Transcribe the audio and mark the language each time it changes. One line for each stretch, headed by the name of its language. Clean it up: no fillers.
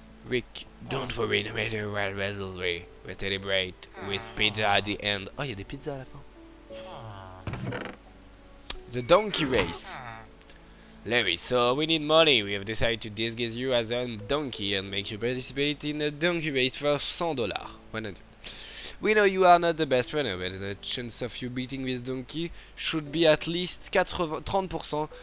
English: Rick, don't worry, no matter what resolve, we celebrate with pizza at the end.
French: Oh, il y a des pizzas à la fin.
English: The donkey race. Larry, so we need money. We have decided to disguise you as a donkey and make you participate in a donkey race for $100. We know you are not the best runner, but the chance of you beating this donkey should be at least 30%.